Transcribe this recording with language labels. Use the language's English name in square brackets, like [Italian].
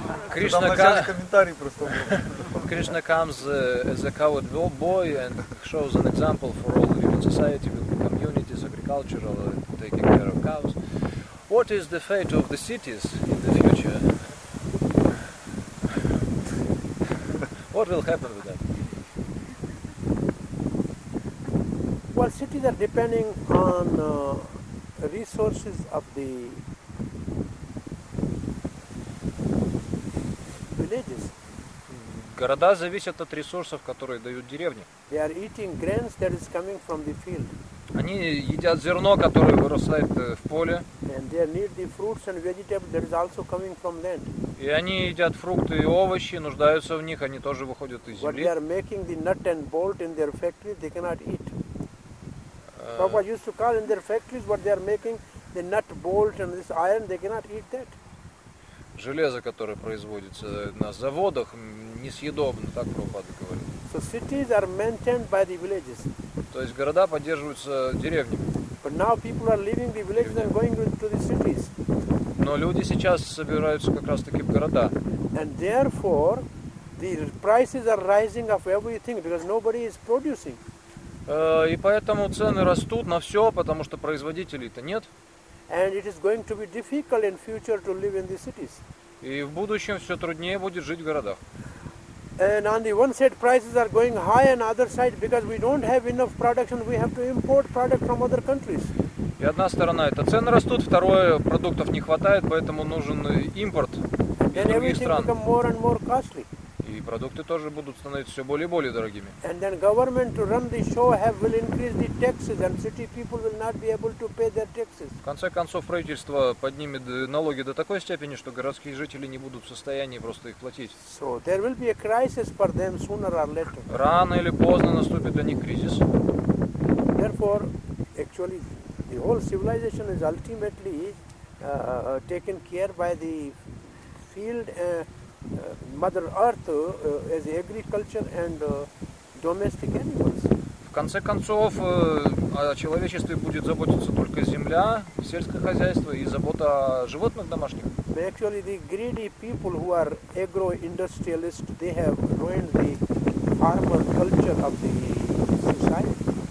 [Russian] Кришна комментарий просто. [English] Кришна comes as a coward boy and shows an example for all the society, communities, agricultural, taking care of cows. What is the fate of the cities in the future? What will happen with that? Well, cities are depending on resources of the villages. [Russian] Города зависят от ресурсов, которые дают деревни. [English] They are eating grains that is coming from the field. [Russian] Они едят зерно, которое вырастает в поле. [English] And they need the fruits and vegetables that is also coming from land. [Russian] И они едят фрукты и овощи, нуждаются в них, они тоже выходят из земли. [English] But they are making the nut and bolt in their factories, they cannot eat. Prabhupada used to call in their factories, but they are making the nut, bolt and this iron, they cannot eat that. [Russian] Железо, которое производится на заводах, несъедобно, так Прабхупада говорит. [English] So cities are maintained by the villages. [Russian] То есть города поддерживаются деревнями. [English] But now people are leaving the villages and going to the cities. [Russian] Но люди сейчас собираются как раз таки в города. [English] And therefore the prices are rising of everything because nobody is producing. [Russian] И поэтому цены растут на все, потому что производителей-то нет. [English] And it is going to be difficult in future to live in the cities. [Russian] И в будущем все труднее будет жить в городах. [English] And on the one side prices are going high, and on the other side because we don't have enough production, we have to import product from other countries. [Russian] И одна сторона это цены растут, второе продуктов не хватает, поэтому нужен импорт из других стран. [English] And everything become more and more costly. [Russian] И продукты тоже будут становиться все более и более дорогими. [English] And then government to run the show will increase the taxes and city people will not be able to pay their taxes. [Russian] В конце концов правительство поднимет налоги до такой степени, что городские жители не будут в состоянии просто их платить. [English] So there will be a crisis for them sooner or later. [Russian] Рано или поздно наступит для них кризис. [English] Therefore, actually, the whole civilization is ultimately taken care by the healed Mother Earth as agriculture and domestic animals. [Russian] В конце концов, о человечестве будет заботиться только земля, сельское хозяйство и забота о животных домашних. [English] But actually, the greedy people who are agro-industrialists, they have ruined the farmer culture of the society.